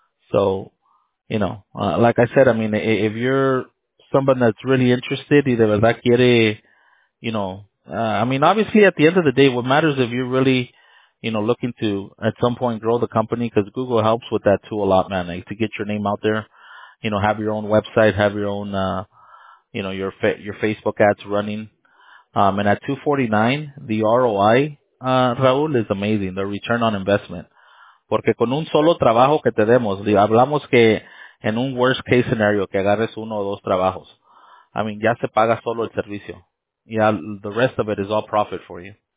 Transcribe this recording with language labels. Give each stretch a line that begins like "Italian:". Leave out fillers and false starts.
English: So, you know, like I said, I mean, if you're someone that's really interested
Spanish: y de verdad quiere,
English: you know, I mean, obviously, at the end of the day, what matters if you're really, you know, looking to at some point grow the company, because Google helps with that too a lot, man, like, to get your name out there, you know, have your own website, have your own, you know, your Facebook ads running. And at 249, the ROI, Raúl, is amazing, the return on investment.
Spanish: Porque con un solo trabajo que te demos, hablamos que en un
English: worst case scenario,
Spanish: que agarres uno o dos trabajos.
English: I mean,
Spanish: ya se paga solo el servicio.
English: Yeah, the rest of it is all profit for you.